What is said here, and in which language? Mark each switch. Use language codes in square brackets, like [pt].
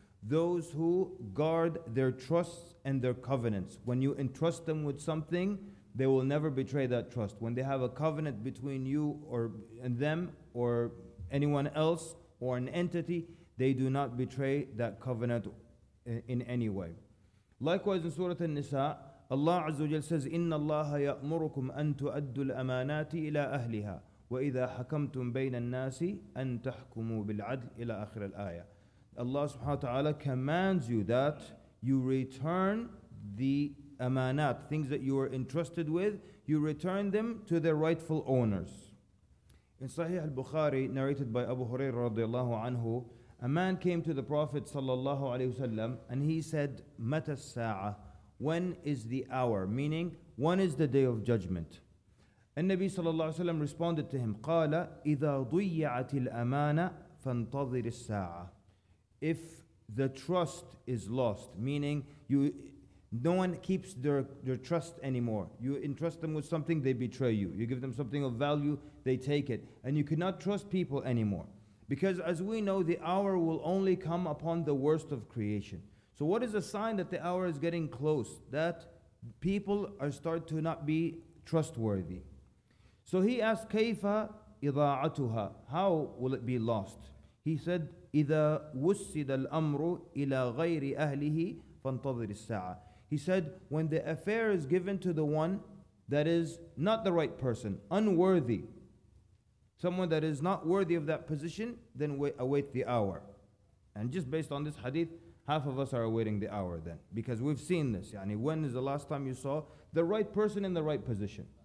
[en] Those who guard their trusts and their covenants. When you entrust them with something, they will never betray that trust. When they have a covenant between you or and them or anyone else or an entity, they do not betray that covenant in any way. Likewise in Surah An-Nisa, Allah Azza wa Jalla says, [ar] إِنَّ اللَّهَ يَأْمُرُكُمْ أَن تُؤَدُّوا الْأَمَانَاتِ إِلَىٰ أَهْلِهَا وَإِذَا حَكَمْتُمْ بَيْنَ النَّاسِ أَن تَحْكُمُوا بِالْعَدْلِ إِلَىٰ آخِرِ الْآيَةِ. [en] Allah subhanahu wa ta'ala commands you that you return the amanat, things that you are entrusted with, you return them to their rightful owners. In Sahih al-Bukhari, narrated by Abu Hurairah radiallahu anhu, a man came to the Prophet sallallahu alayhi wa sallam and he said, [ar] مَتَ السَّاعَةَ. [en] When is the hour? Meaning, when is the day of judgment? And Nabi sallallahu alayhi wa sallam responded to him, [ar] قَالَ إِذَا ضُيَّعَتِ الْأَمَانَةِ فَانْتَظِرِ السَّاعَةِ. [en] If the trust is lost, meaning you, no one keeps their trust anymore. You entrust them with something, they betray you. You give them something of value, they take it. And you cannot trust people anymore. Because as we know, the hour will only come upon the worst of creation. So what is a sign that the hour is getting close? That people are start to not be trustworthy. So he asked, [ar] كَيْفَ إِضَاعَتُهَا? [en] How will it be lost? He said, [ar] إِذَا وُسِّدَ الْأَمْرُ إِلَى غَيْرِ أَهْلِهِ فَانْتَظِرِ السَّاعَةِ. [en] He said, when the affair is given to the one that is not the right person, unworthy, someone that is not worthy of that position, then await the hour. And just based on this hadith, half of us are awaiting the hour then. Because we've seen this. Yani, when is the last time you saw the right person in the right position?